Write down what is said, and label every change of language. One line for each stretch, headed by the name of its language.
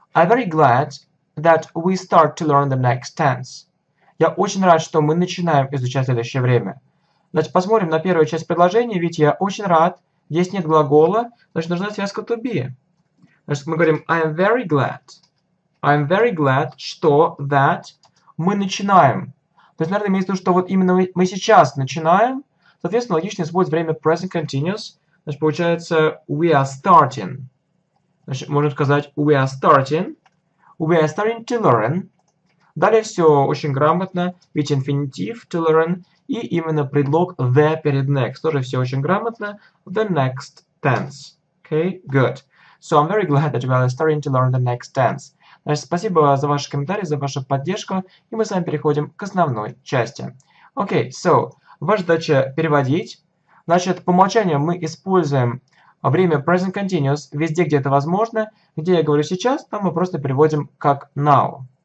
English: I'm very glad that we start to learn the next tense.
Russian: Я очень рад, что мы начинаем изучать следующее время. Значит, посмотрим на первую часть предложения. Видите, я очень рад. Здесь нет глагола, значит, нужна связка to be. Значит, мы говорим
English: I am very glad.
Russian: I am very glad, что that мы начинаем. То есть, наверное, имеется в виду, что вот именно мы сейчас начинаем. Соответственно, логично использовать время present continuous. Значит, получается
English: we are starting.
Russian: Значит, можно сказать
English: we are starting. We are starting to learn.
Russian: Далее все очень грамотно, ведь infinitive
English: to learn
Russian: и именно предлог the перед next. Тоже все очень грамотно.
English: The next tense. Okay, good. So I'm very glad that you are starting to learn the next tense.
Russian: Значит, спасибо за ваши комментарии, за вашу поддержку. И мы с вами переходим к основной части. Okay, so, ваша задача переводить. Значит, по умолчанию мы используем время present continuous везде, где это возможно. Где я говорю сейчас, там мы просто переводим как now.